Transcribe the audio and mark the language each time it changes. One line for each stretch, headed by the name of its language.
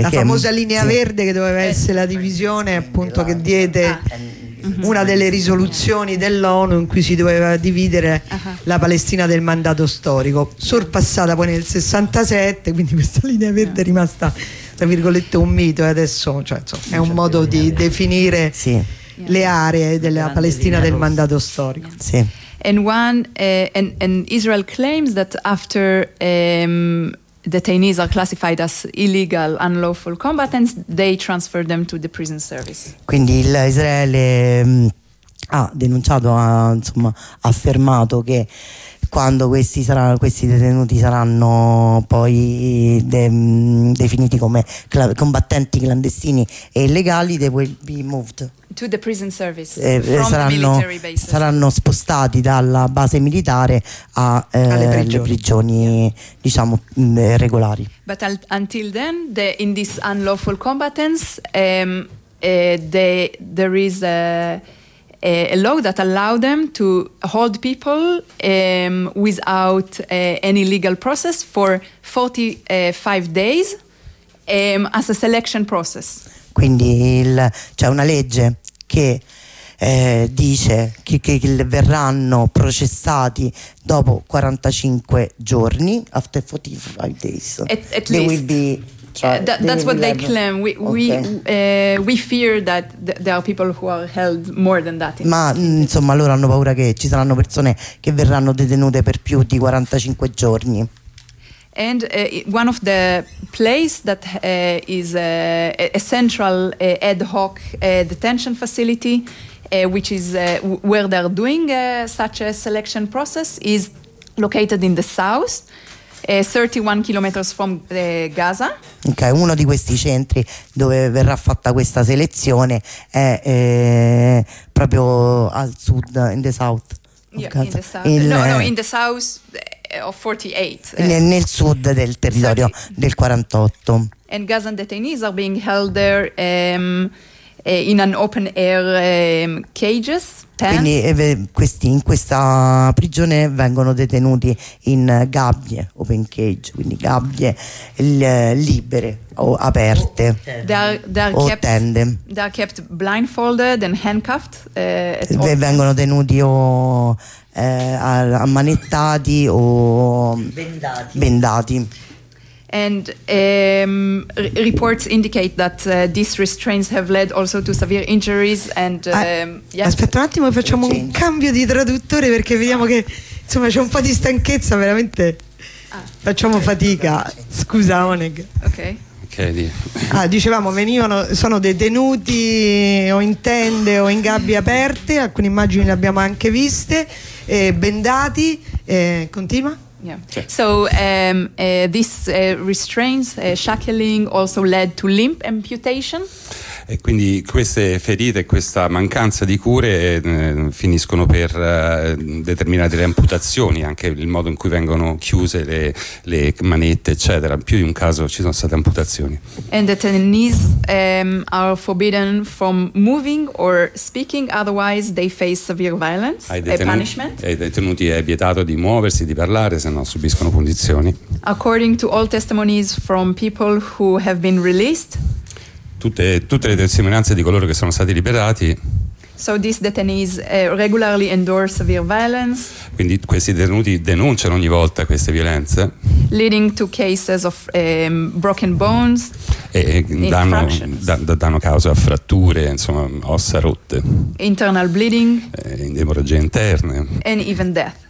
Italian: la famosa linea verde che doveva essere la divisione, appunto, che diede una delle risoluzioni dell'ONU in cui si doveva dividere la Palestina del mandato storico, sorpassata poi nel 67, quindi questa linea verde è rimasta tra virgolette un mito, e adesso cioè, insomma, è un modo di definire sì. le aree della Grande Palestina del mandato storico. Yeah. Sì.
English: And one and Israel claims that after detainees are classified as illegal, unlawful combatants, they transfer them to the prison service.
Italian: Quindi Israele ha denunciato, ha insomma affermato che quando questi saranno, questi detenuti saranno poi definiti come combattenti clandestini e illegali,
English: they will be moved to the prison service from
Italian: saranno,
English: the military bases.
Italian: Saranno spostati dalla base militare a, alle prigioni diciamo regolari.
English: But until then, in these unlawful combatants, there is a law that allows them to hold people without any legal process for 45 days as a selection process.
Italian: Quindi c'è cioè una legge che dice che verranno processati dopo 45 giorni,
English: after 45 days. At least. Will be That's what they claim. We fear that there are people who are held more than that.
Italian: Ma insomma loro hanno paura che ci saranno persone che verranno detenute per più di 45 giorni.
English: And one of the place that is a central ad hoc detention facility, which is where they're doing such a selection process, is located in the south. 31 kilometers from Gaza.
Italian: Ok, uno di questi centri dove verrà fatta questa selezione è proprio al sud,
English: in the south. In the south of 48.
Italian: Nel sud del territorio del 48.
English: And Gazan detainees are being held there in an open air cages. Pens.
Italian: Quindi questi in questa prigione vengono detenuti in gabbie,
English: open cage,
Italian: quindi gabbie libere o aperte o tende.
English: They are kept blindfolded and handcuffed.
Italian: Vengono tenuti o ammanettati o bendati.
English: And reports indicate that these restraints have led also to severe injuries and
Italian: aspetta un attimo, facciamo un cambio di traduttore perché vediamo che insomma c'è un po' di stanchezza, veramente facciamo fatica. Scusa Oneg. Okay. Dicevamo, venivano, sono detenuti o in tende o in gabbie aperte, alcune immagini le abbiamo anche viste, bendati, continua. Yeah. Okay.
English: So these restraints, shackling, also led to limb amputation.
Italian: E quindi queste ferite, questa mancanza di cure finiscono per determinare delle amputazioni, anche il modo in cui vengono chiuse le manette, eccetera. In più di un caso ci sono state amputazioni.
English: And the detainees are forbidden from moving or speaking, otherwise they face severe violence, punishment.
Italian: Ai detenuti è vietato di muoversi, di parlare, se no subiscono punizioni.
English: According to all testimonies from people who have been released.
Italian: Tutte le testimonianze di coloro che sono stati liberati.
English: So these detainees regularly endure severe violence.
Italian: Quindi questi detenuti denunciano ogni volta queste violenze.
English: Leading to cases of broken bones.
Italian: E danno causa a fratture, insomma, ossa rotte.
English: Internal bleeding.
Italian: Emorragie interne.
English: And even death.